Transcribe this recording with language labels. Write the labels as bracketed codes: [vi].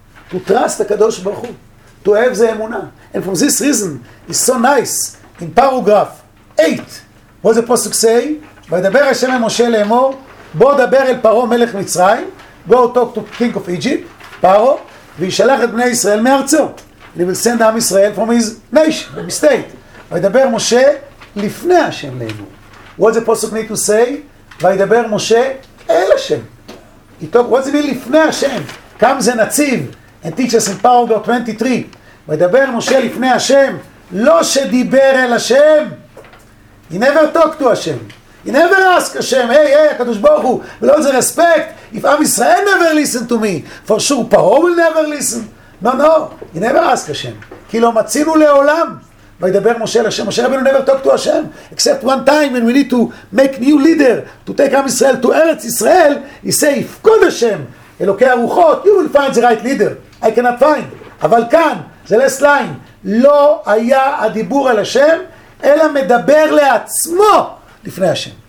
[en] To trust the Kadosh Baruch Hu, to have the Emunah. And from this reason, it's so nice in paragraph 8, what the Pasuk say, [he] וידבר השם אל משה לאמור, בוא דבר אל פרעה מלך מצרים, [en] go talk to king of Egypt, Paro, [he] וישלח את בני ישראל מארצו. [en] He will send עם ישראל from his nation, from his state. [he] וידבר משה לפני השם לאמור. [en] What's the pasuk need to say? [he] וידבר משה אל השם. [en] He talk, what's it mean לפני השם? Comes a נציב, and teaches in paragraph 23. [he] וידבר משה לפני השם, לא שדיבר אל השם. [en] He never talk to השם. He never ask השם, hey, hey, הקדוש ברוך הוא, [he] ולא זה רספקט, [en] if Am Yisrael never listen to me, for sure, Paro will never listen. No, no, he never ask השם, [he] כי לא מצינו לעולם, וידבר משה לשם, [en] משה רבינו never talk to השם, except one time when we need to make new leader, to take Am Yisrael to ארץ ישראל, he say, if God השם, אלוקי הרוחות, you will find the right leader, I cannot find, [he] אבל כאן, זה [en] last line, [he] לא היה הדיבור על השם, אלא מדבר לעצמו, לפני השם.